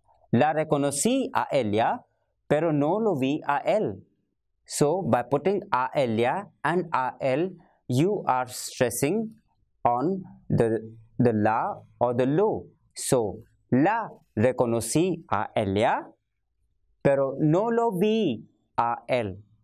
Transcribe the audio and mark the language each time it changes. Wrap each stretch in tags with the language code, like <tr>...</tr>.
<es>La reconocí a ella, pero no lo vi a él.</es> <en>So, by putting a ella and a él, you are stressing on the la or the lo.</en> <es>So, la reconocí a ella, pero no lo vi a él.</es>